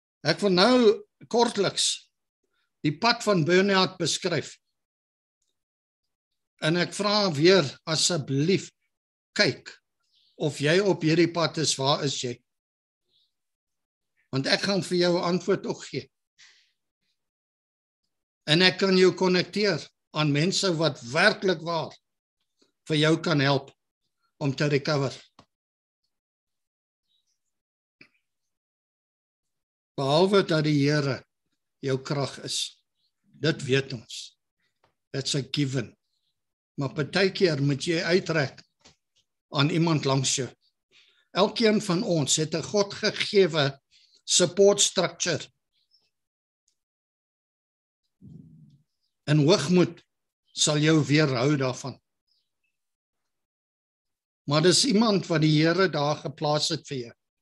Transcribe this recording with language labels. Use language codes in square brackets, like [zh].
[af] Ek wil nou kortliks die pad van burn-out beskryf. En ek vra weer, asseblief, kyk, of jy op hierdie pad is, waar is jy? Want ek gaan vir jou antwoord ook gee. En ek kan jou connecteer aan mense wat werkelijk waar vir jou kan help om te recover. Behalwe dat die Here jou krag is, dit weet ons. [en] It's a given. [af] Maar partykeer moet jy uitrek aan iemand langs jou. Elkeen van ons het 'n God gegewe support structure. En hoogmoed sal jou weerhou daarvan. Maar dis iemand wat die Here daar geplaas het vir jou.